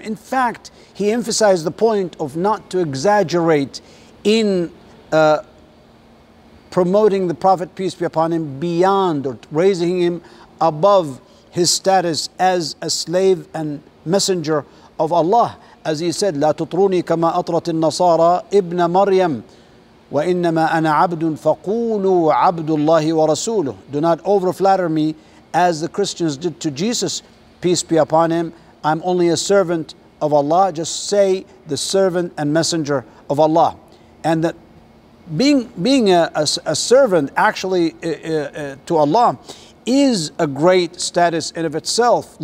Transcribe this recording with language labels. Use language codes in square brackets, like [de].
[en] In fact, he emphasized the point of not to exaggerate in promoting the Prophet, peace be upon him, beyond or raising him above his status as a slave and messenger of Allah. As he said, [ar] لَا تُطْرُونِي كَمَا أَطْرَتِ النَّصَارَى إِبْنَ مَرْيَمْ وَإِنَّمَا أَنَا عَبْدٌ فَقُولُوا عَبْدُ اللَّهِ وَرَسُولُهُ. [en] Do not overflatter me as the Christians did to Jesus, peace be upon him. I'm only a servant of Allah. Just say the servant and messenger of Allah. And that being a servant actually to Allah is a great status in of itself.